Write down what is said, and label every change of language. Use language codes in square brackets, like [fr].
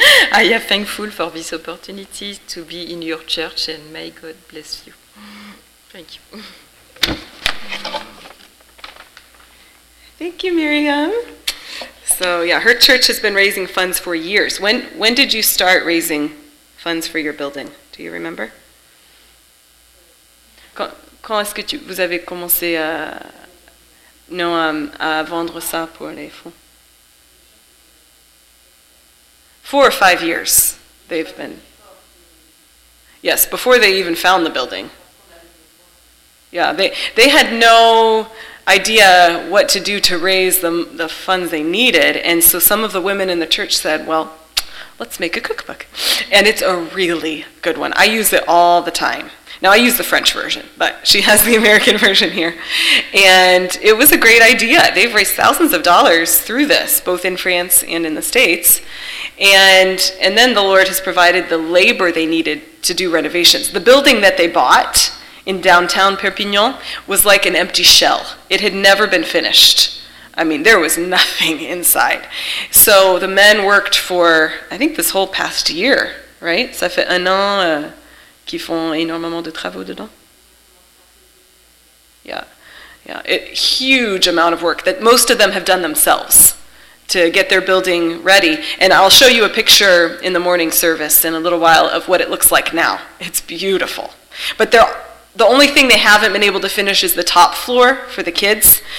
[en] I am thankful for this opportunity to be in your church, and may God bless you. Thank you. Thank you, Miriam. So, yeah, her church has been raising funds for years. When did you start raising funds for your building? Do you remember? [fr] Quand est-ce que vous avez commencé à vendre ça pour les fonds? [en] 4 or 5 years they've been. Yes, before they even found the building. Yeah, they had no idea what to do to raise the funds they needed, and so some of the women in the church said, well, let's make a cookbook. And it's a really good one. I use it all the time. Now, I use the French version, but she has the American version here. And it was a great idea. They've raised thousands of dollars through this, both in France and in the States. And then the Lord has provided the labor they needed to do renovations. The building that they bought in downtown Perpignan was like an empty shell. It had never been finished. I mean, there was nothing inside. So the men worked for, I think, this whole past year, right? [fr] Ça fait un an qu'ils font énormément de travaux dedans. [en] Yeah, yeah. A huge amount of work that most of them have done themselves to get their building ready. And I'll show you a picture in the morning service in a little while of what it looks like now. It's beautiful. But the only thing they haven't been able to finish is the top floor for the kids.